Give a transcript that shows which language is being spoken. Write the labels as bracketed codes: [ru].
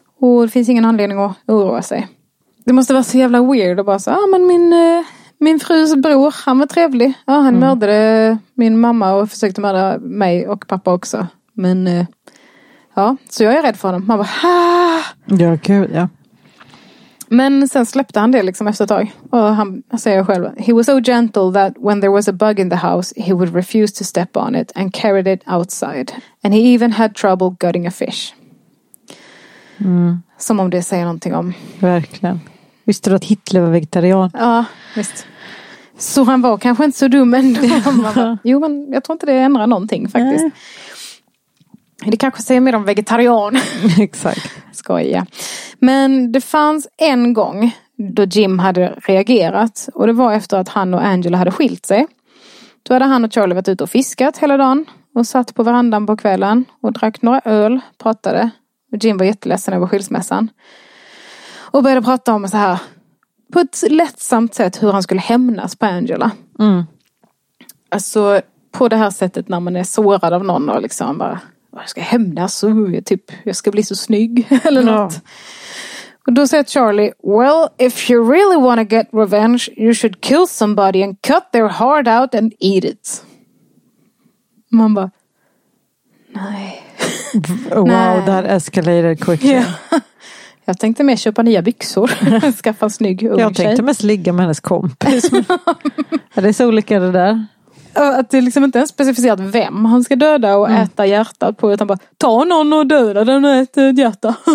[sv] Och det finns ingen anledning att oroa sig. Det måste vara så jävla weird att bara säga, ja, men min frus bror, han var trevlig. Ja, han mördade min mamma och försökte mörda mig och pappa också. Men ja, så jag är rädd för honom. Man bara, ha! Ja, kul, ja. Men sen släppte han det liksom efter ett tag. Och han säger själv, [en] he was so gentle that when there was a bug in the house he would refuse to step on it and carried it outside. And he even had trouble gutting a fish. Mm. [sv] Som om det säger någonting om. Verkligen. Visste du att Hitler var vegetarian? Ja, visst. Så han var kanske inte så dum ändå. Jo, men jag tror inte det ändrar någonting faktiskt. Nej. Det kanske säger mer om vegetarian. Exakt. Skoja. Men det fanns en gång då Jim hade reagerat. Och det var efter att han och Angela hade skilt sig. Då hade han och Charlie varit ute och fiskat hela dagen. Och satt på verandan på kvällen. Och drack några öl. Pratade. Och Jim var jätteledsen över skilsmässan. Och började prata om så här. på ett lättsamt sätt hur han skulle hämnas på Angela. Mm. Alltså på det här sättet när man är sårad av någon och liksom bara, jag ska hämnas och typ, jag ska bli så snygg eller något. Och då säger [en] Charlie, well, if you really want to get revenge, you should kill somebody and cut their heart out and eat it. [sv] Man bara, nej. [en] Wow, that escalated quickly. Yeah. [sv] Jag tänkte mer köpa nya byxor. Skaffa en snygg ung tjej. Jag tänkte mest ligga med hennes kompis. Är det så olika det där? Att det liksom inte ens specificerat vem han ska döda och äta hjärtat på. Utan bara, ta någon och döda den och äta ett hjärta.